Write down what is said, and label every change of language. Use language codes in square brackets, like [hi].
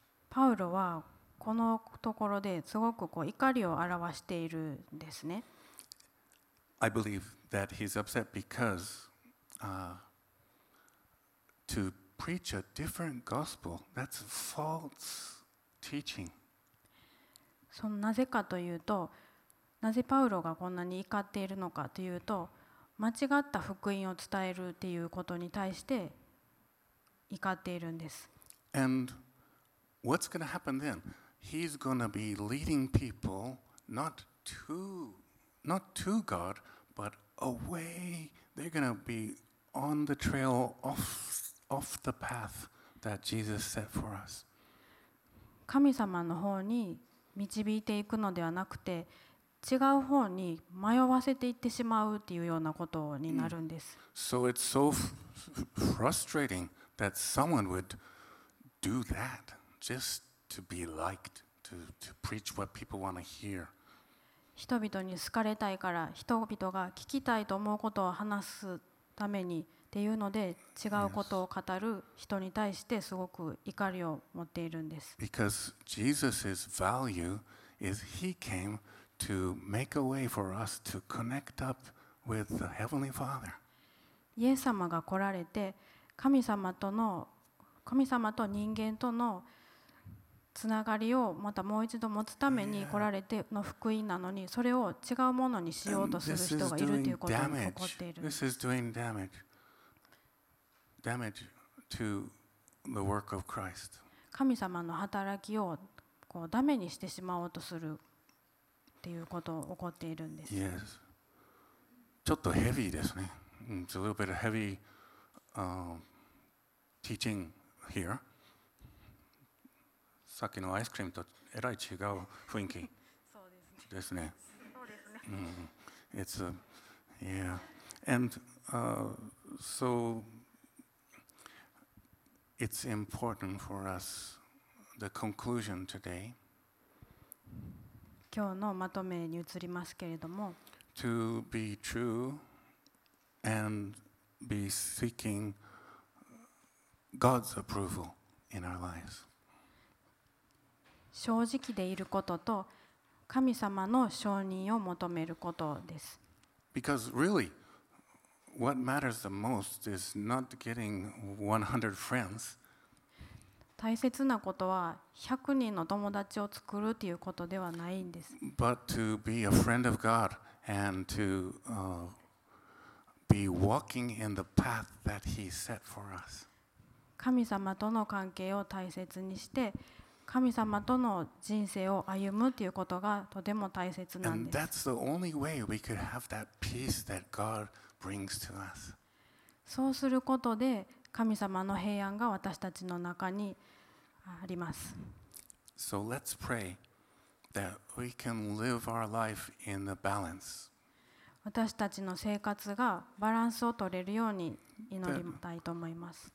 [ja] パウロはこのところですごくこう怒りを表しているんですね。 [en] I believe that he's upset because to preach a different gospel, that's false teaching. [ja] そのなぜかというと、なぜパウロがこんなに怒っているのかというと、間違った福音を伝えるっていうことに対して怒っているんです。 [en] And what's going to happen then? He's going to be leading people not to God, but away. They're going to be on the trail off the path that Jesus set for us. [ja] 神様の方に導いていくのではなくて、違う方に迷わせていってしまうというようなことになるんです。 [en] So it's so frustrating that someone would do that just to be liked, to preach what people want to hear. [ja] 人々に好かれたいから、人々が聞きたいと思うことを話すためにっていうので、違うことを語る人に対してすごく怒りを持っているんです。 [en] Because Jesus's value is he cameto make a way for us to connect up with the Heavenly Father. [ja] イエス様が来られて、神様と人間とのつながりをまたもう一度持つために来られての福音なのに、それを違うものにしようとする人がいるということに怒っている。 [en] This is doing damage to the work of Christ. [ja] 神様の働きをこうダメにしてしまおうとする。ということが起こっているんです。 [en] Yes. [ja] ちょっとヘビーですね。 [en] It's a little bit of heavy teaching here. [ja] さっきのアイスクリームとえらい違う雰囲気ですね。 [en] It's a, yeah. And so it's important for us, the conclusion today. [ja] 今日のまとめに移りますけれども、 [en] To be true and be seeking God's approval in our lives. [ja] 正直でいることと神様の承認を求めることです。 [en] Because really, what matters the most is not getting 100 friends. [ja] 大切なことは100人の友達を作るということではないんです。 [en] But to be a friend of God and to be walking in the path that He set for us. [ja] 神様との関係を大切にして、神様との人生を歩むということがとても大切なんです。 [en] And that's the only way we could have that peace that God brings to us. [ja] そうすることで神様の平安が私たちの中にあります。 [en] So let's pray that we can live our life in the balance. [ja] 私たちの生活がバランスを取れるように祈りたいと思います。